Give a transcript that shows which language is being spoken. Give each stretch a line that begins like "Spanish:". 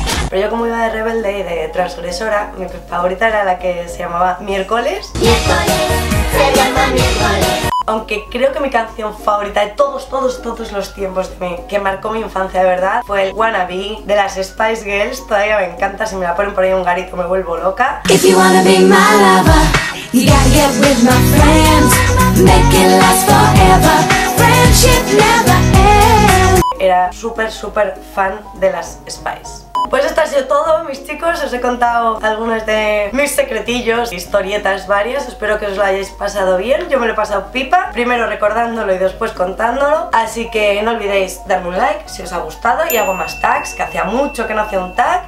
Spanish: Pero yo como iba de rebelde y de transgresora, mi favorita era la que se llamaba Miércoles. Miércoles, se llama Miércoles. Aunque creo que mi canción favorita de todos los tiempos de mí, que marcó mi infancia de verdad, fue el Wanna Be de las Spice Girls. Todavía me encanta, si me la ponen por ahí un garito me vuelvo loca.
English: If you wanna be my lover, you gotta get with my friends, make it last forever, friendship never ends.
Spanish: Era súper fan de las Spice. Pues esto ha sido todo, mis chicos. Os he contado algunos de mis secretillos, historietas varias. Espero que os lo hayáis pasado bien. Yo me lo he pasado pipa, primero recordándolo y después contándolo. Así que no olvidéis darme un like si os ha gustado y hago más tags, que hacía mucho que no hacía un tag.